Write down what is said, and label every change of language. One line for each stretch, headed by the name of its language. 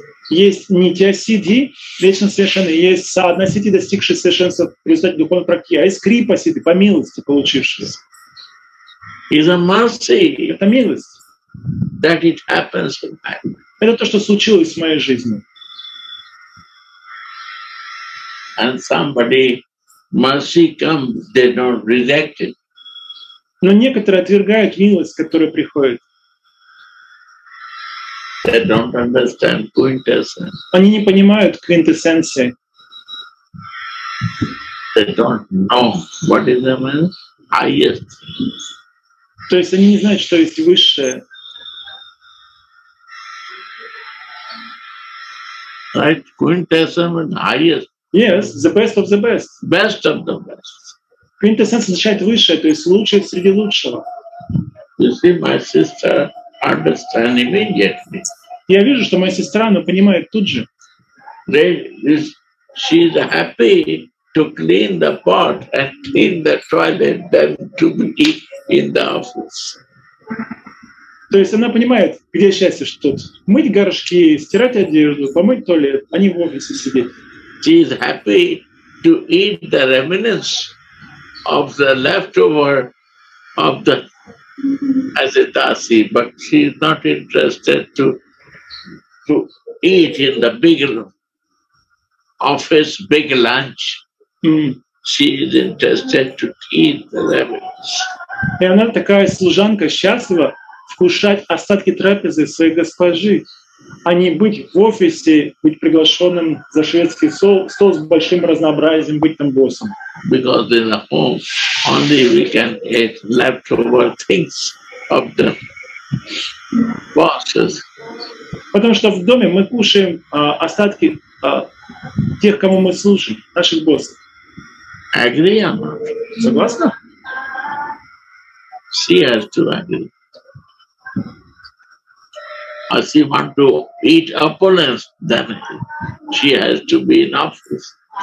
Russian: Есть нитя сиди, вечно совершенный, есть садхана сиди, достигший совершенства в результате духовной практики, а есть крипа сиди, по милости получившегося.
English: Is a mercy.
Russian: Это милость.
English: That it happens in my life.
Russian: Это то, что случилось в моей жизни.
English: And somebody mercy comes, they don't reject it.
Russian: Но некоторые отвергают милость, которая приходит.
English: They don't understand quintessence.
Russian: Они не понимают квинтэссенции.
English: They don't know what is the highest.
Russian: То есть они не знают, что есть высшее.
English: Right, quintessence is highest. Yes, the best of the best. Best of the best.
Russian: Quintessence означает высшее, то есть лучшее среди лучшего.
English: You see, my sister understands immediately.
Russian: Я вижу, что моя сестра, она понимает тут же.
English: She is happy to clean the pot and clean the toilet than to be in the office.
Russian: То есть она понимает, где счастье, что тут. Мыть горшки, стирать одежду, помыть туалет, а не в офисе сидеть.
English: She is happy to eat the remnants of the leftover of the as a dasi, but she is not interested to to eat in the big office, big lunch. She is interested to eat the leavens.
Russian: И она такая служанка, счастлива вкушать остатки трапезы своей госпожи, а не быть в офисе, быть приглашенным за шведский стол с большим разнообразием, быть там боссом.
English: Because in the home only we can eat leftover things of the bosses.
Russian: Потому что в доме мы кушаем остатки тех, кому мы служим, наших боссов.
English: Agree or not?
Russian: Согласна?
English: She has to agree. If she want to eat opponents, then she has to be in office.